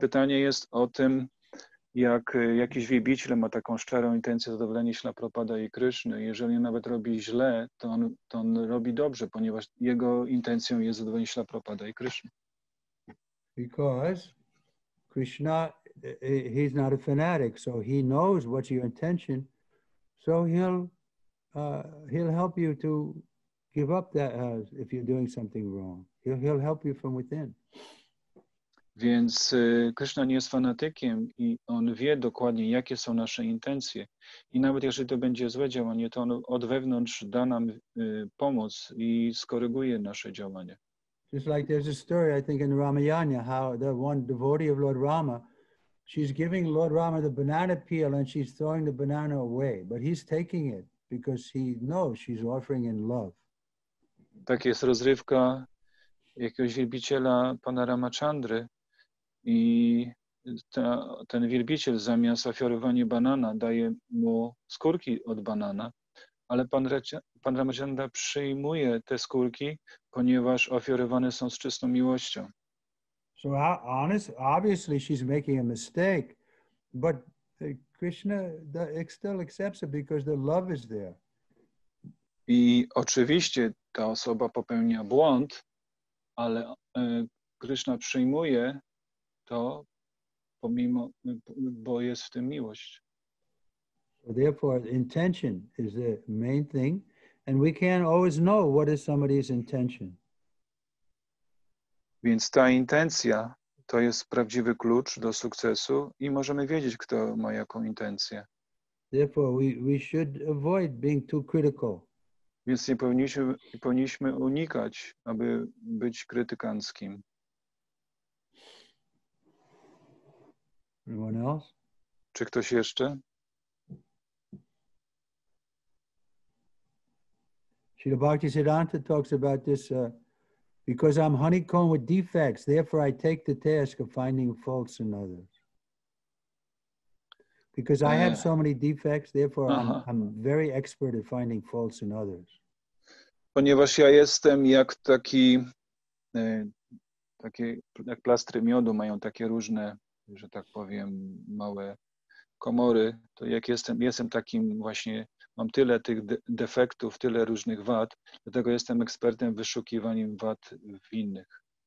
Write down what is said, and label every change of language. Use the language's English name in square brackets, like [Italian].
[Polish] Pytanie jest o tym, jak jakiś wielbiciel ma taką szczerą intencję zadowolenia Śrīla Prabhupāda i Kryszny. Jeżeli nawet robi źle, to on robi dobrze, ponieważ jego intencją jest zadowolenie Śrīla Prabhupāda i Kryszny. [English] Because Krishna, he's not a fanatic, so he knows what's your intention, so he'll help you to give up that if you're doing something wrong. He'll help you from within. [Polish] Więc Krishna nie jest fanatykiem i on wie dokładnie, jakie są nasze intencje. I nawet jeżeli to będzie złe działanie, to on od wewnątrz da nam pomoc i skoryguje nasze działanie. [English] Just like there's a story, I think, in Ramayana, how the one devotee of Lord Rama, she's giving Lord Rama the banana peel and she's throwing the banana away, but he's taking it because he knows she's offering in love. [Polish] Tak jest rozrywka jakiegoś wielbiciela pana Ramachandry. I ten wielbiciel zamiast ofiarowania banana daje mu skórki od banana, ale pan Ramachandra przyjmuje te skórki, ponieważ ofiarowane są z czystą miłością. [English] So honest, obviously she's making a mistake, but Krishna still accepts it because the love is there. [Polish] I oczywiście ta osoba popełnia błąd, ale Krishna przyjmuje to pomimo, bo jest w tym miłość. [English] Therefore, intention is the main thing, and we can't always know what is somebody's intention. [Polish] Więc ta intencja to jest prawdziwy klucz do sukcesu i możemy wiedzieć, kto ma jaką intencję. [English] Therefore, we should avoid being too critical. [Polish] Więc nie powinniśmy unikać, aby być krytykanckim. [English] Anyone else? [Polish] Czy ktoś jeszcze? [English] Śrīla Bhaktisiddhānta talks about this because I'm honeycombed with defects, therefore I take the task of finding faults in others. Because I have so many defects, therefore I'm very expert at finding faults in others. [Polish] Ponieważ ja jestem jak taki, takie, jak plastry miodu mają takie różne, że tak powiem, małe komory, to jak jestem takim właśnie, mam tyle tych defektów, tyle różnych wad, dlatego jestem ekspertem w wyszukiwaniu wad w innych.